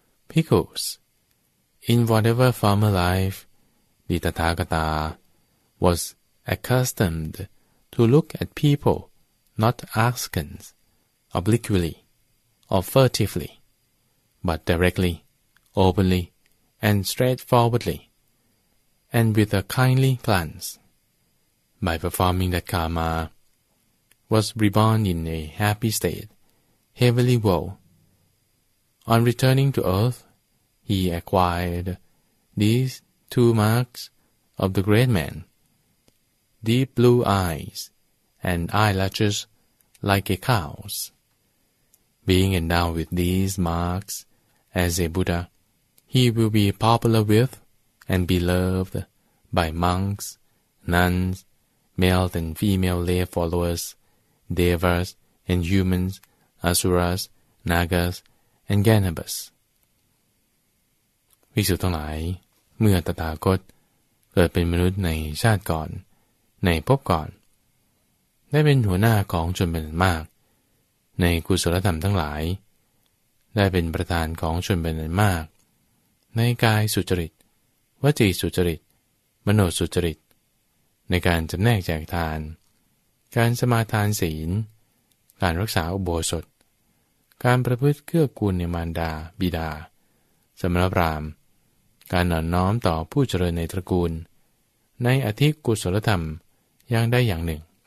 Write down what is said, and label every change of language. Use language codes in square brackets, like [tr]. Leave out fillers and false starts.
[en] Pickles In whatever former life, the Tathagata was accustomed to look at people not askance, obliquely, or furtively, but directly, openly, and straightforwardly, and with a kindly glance. By performing that karma,was reborn in a happy state, heavenly world. On returning to earth, he acquired these two marks of the great man, deep blue eyes and eyelashes like a cow's. Being endowed with these marks as a Buddha, he will be popular with and beloved by monks, nuns, male and female lay followers,Devas and humans, Asuras, Nagas, and Ganabas. [th] ภิกษุทั้งหลายเมื่อตถาคตเกิดเป็นมนุษย์ในชาติก่อนในภพก่อนได้เป็นหัวหน้าของชนเป็นมากในกุศลธรรมทั้งหลาย ได้เป็นประธานของชนเป็นอันมากในกายสุจริตวจีสุจริตมโนสุจริตในการจำแนกแจกทานการสมาทานศีลการรักษาอุโบสถการประพฤติเกื้อกูลในมารดาบิดาสำหรับพราหมณ์การหนอนน้อมต่อผู้เจริญในตระกูลในอธิกุศลธรรมย่างได้อย่างหนึ่ง